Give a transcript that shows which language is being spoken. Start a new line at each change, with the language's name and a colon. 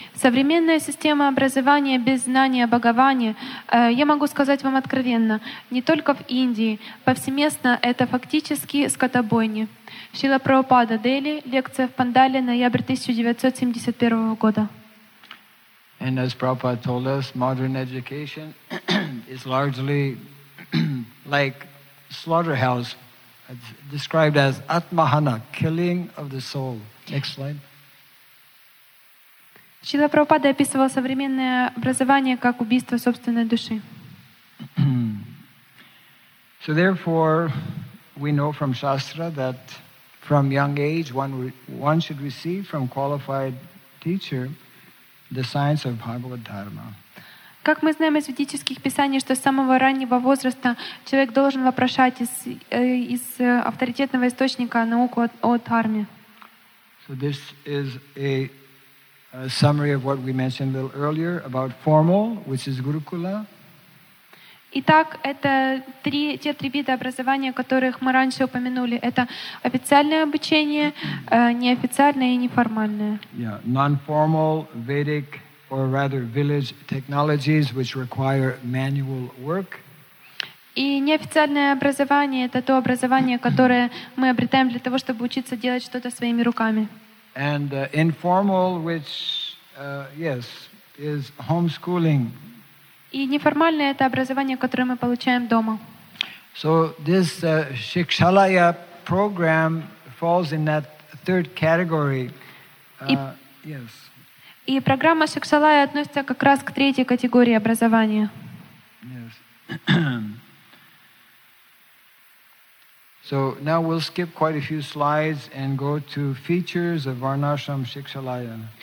Russian: Современная система образования без знания о Бхагаване, я могу сказать вам откровенно, не только в Индии, повсеместно это фактически скотобойни. Шрила Прабхупада, Дели, лекция в Пандале, ноябрь 1971 года.
English: And as Prabhupada told us, modern education is largely like slaughterhouse, described as atmahana, killing of the soul. Next slide.
Russian: Шрила Прабхупада описывал современное образование как убийство собственной души.
English: So therefore, we know from Shastra that from young age one should receive from qualified teacher the science of Bhagavad Dharma.
Russian: Как мы знаем из ведических писаний, что с самого раннего возраста человек должен вопрошать из авторитетного источника науку о дхарме.
English: So this is a summary of what we mentioned a little earlier about formal, which is Gurukula.
Russian: Итак, это те три вида образования, о которых мы раньше упомянули. Это официальное обучение, неофициальное и неформальное.
English: Yeah, non-formal Vedic or rather village technologies which require manual work.
Russian: И неофициальное образование — это то образование, которое мы обретаем для того, чтобы учиться делать что-то своими руками.
English: And informal, which yes, is homeschooling.
Russian: И неформальное — это образование, которое мы получаем дома.
English: So this Shikshalaya program falls in that third category. Yes.
Russian: И программа Shikshalaya относится как раз к третьей категории образования.
English: Yes. So now we'll skip quite a few slides and go to features of Varnashram Shikshalaya.